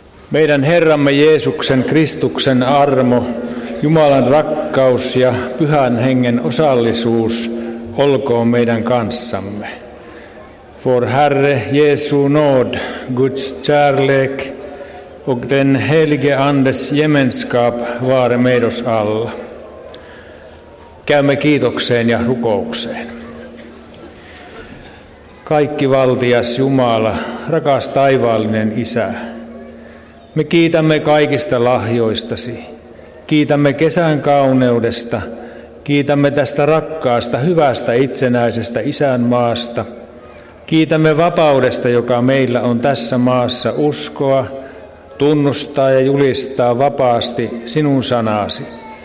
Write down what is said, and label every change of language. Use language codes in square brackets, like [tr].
[fi] Meidän Herramme Jeesuksen Kristuksen armo, Jumalan rakkaus ja Pyhän Hengen osallisuus olkoon meidän kanssamme. [sv] Vår Herre Jesu nåd, Guds kärlek och den helige Andes gemenskap vare med oss alla. [fi] Käymme kiitokseen ja rukoukseen. Kaikki valtias Jumala, rakas taivaallinen Isä, me kiitämme kaikista lahjoistasi, kiitämme kesän kauneudesta, kiitämme tästä rakkaasta, hyvästä, itsenäisestä isänmaasta, kiitämme vapaudesta, joka meillä on tässä maassa uskoa, tunnustaa ja julistaa vapaasti sinun sanasi.